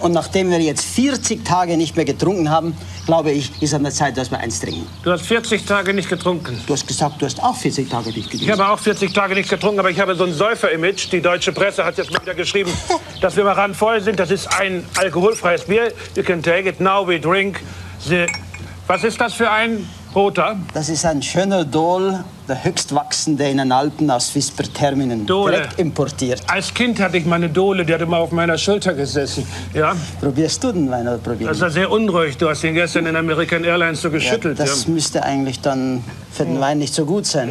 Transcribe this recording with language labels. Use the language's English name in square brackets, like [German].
[German] Und nachdem wir jetzt 40 Tage nicht mehr getrunken haben, glaube ich, ist an der Zeit, dass wir eins trinken. Du hast 40 Tage nicht getrunken. Du hast gesagt, du hast auch 40 Tage nicht getrunken. Ich habe auch 40 Tage nicht getrunken, aber ich habe so ein Säufer-Image. Die deutsche Presse hat jetzt mal wieder geschrieben, dass wir mal randvoll sind. Das ist ein alkoholfreies Bier. [English] You can take it now, we drink the... [German] Was ist das für ein roter? Das ist ein schöner Dol, der höchstwachsende in den Alpen aus Whisper-Terminen. Dole. Direkt importiert. Als Kind hatte ich meine Dole, die hat immer auf meiner Schulter gesessen. Ja. Probierst du den Wein oder probierst du? Das war sehr unruhig. Du hast ihn gestern in American Airlines so geschüttelt. Ja, das müsste eigentlich dann für den Wein nicht so gut sein.